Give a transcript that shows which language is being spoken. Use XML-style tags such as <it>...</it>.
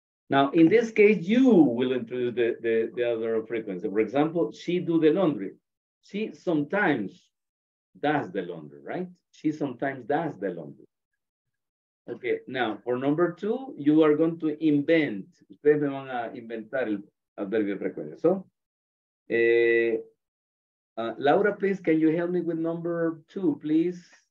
<en>Now, in this case, you will introduce the other frequency. For example, she do the laundry. She sometimes does the laundry, right? She sometimes does the laundry. Okay, now, for number two, you are going to invent.</en> <es>Ustedes me van a inventar el adverbio frecuencia.</es> <en>So, Laura, please, can you help me with number two, please?</en>